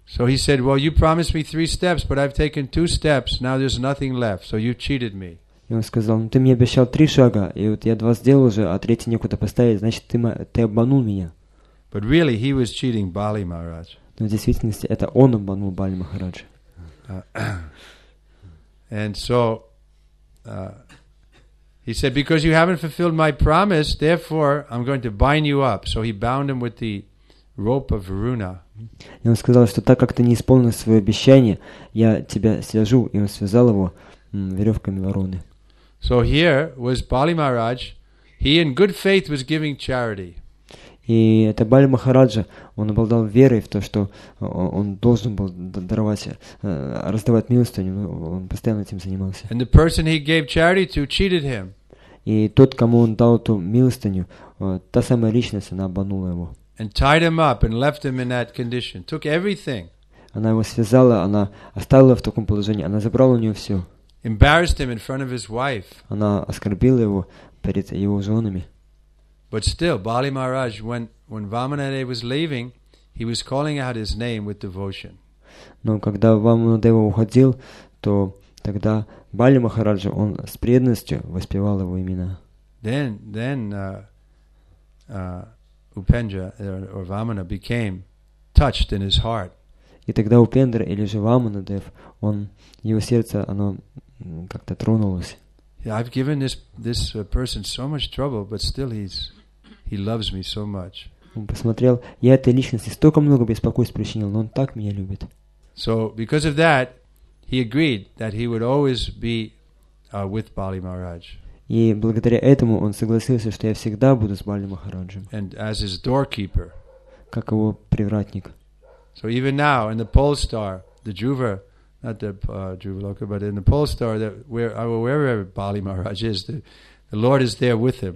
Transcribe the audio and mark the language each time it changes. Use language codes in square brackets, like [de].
[en] So he said, "Well, you promised me three steps, but I've taken two steps. Now there's nothing left. So you cheated me." [ru] И он сказал: "Ну, ты мне обещал три шага, и вот я два сделал уже, а третий некуда поставить. Значит, ты обманул меня." [en] But really, he was cheating Bali Maharaj. [ru] Но в действительности это он обманул Бали Махараджа. [en] And so he said, because you haven't fulfilled my promise, therefore I'm going to bind you up. So he bound him with the rope of Varuna. [ru] И он сказал, что так как ты не исполнил свое обещание, я тебя свяжу, и он связал его веревками вороны. [en] So here was Bali Maharaj. He in good faith was giving charity. [ru] И это Бали Махараджа, он обладал верой в то, что он должен был даровать, раздавать милостыню, он постоянно этим занимался. [en] And the person he gave charity to cheated him. [ru] И тот, кому он дал эту милостыню, та самая личность, она обманула его. [en] And tied him up and left him in that condition, took everything. [ru] Она его связала, она оставила в таком положении, она забрала у него все. [en] Embarrassed him in front of his wife. [ru] Она оскорбила его перед его женами. [en] But still, Bali Maharaj, when Vamanadeva was leaving, he was calling out his name with devotion. [ru] Но когда Вамана уходил, то тогда Бали Махараджа он с преданностью воспевал его имена. [en] Then Upendra or Vamana became touched in his heart. [ru] И тогда Упендра или же Вамана Дев, он его сердце оно как-то тронулось. [en] Yeah, I've given this person so much trouble, but still he loves me so much. [ru] Он посмотрел, я этой личности столько много беспокойств причинил, но он так меня любит. [en] So because of that, he agreed that he would always be with Bali Maharaj. [ru] И благодаря этому он согласился, что я всегда буду с Бали Махараджем. [en] And as his doorkeeper. [ru] Как его привратник. [en] So even now in the Polestar, the Dhruva, not the Dhruvaloka, but in the Polestar, wherever Bali Maharaj is, the Lord is there with him.